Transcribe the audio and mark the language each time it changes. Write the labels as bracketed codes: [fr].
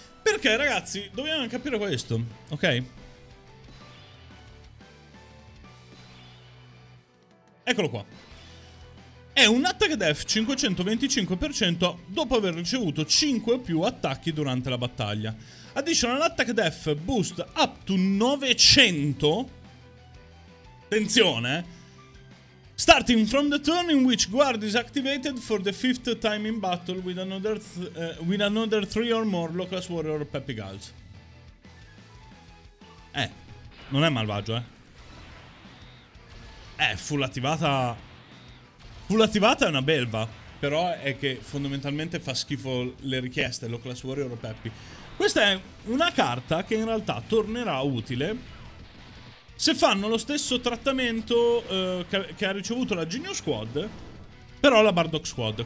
[it] Perché, ragazzi, dobbiamo capire questo, ok? Eccolo qua. È un attack def 525% dopo aver ricevuto 5 o più attacchi durante la battaglia. [en] Additional attack def boost up to 900. [it] Attenzione! [en] Starting from the turn in which guard is activated for the 5th time in battle with another 3 or more low class warrior Peppy Gals. [it] Non è malvagio, full attivata. Full attivata è una belva, però è che fondamentalmente fa schifo le richieste, low class warrior o Peppy. Questa è una carta che in realtà tornerà utile se fanno lo stesso trattamento che ha ricevuto la Genio Squad, però la Bardock Squad.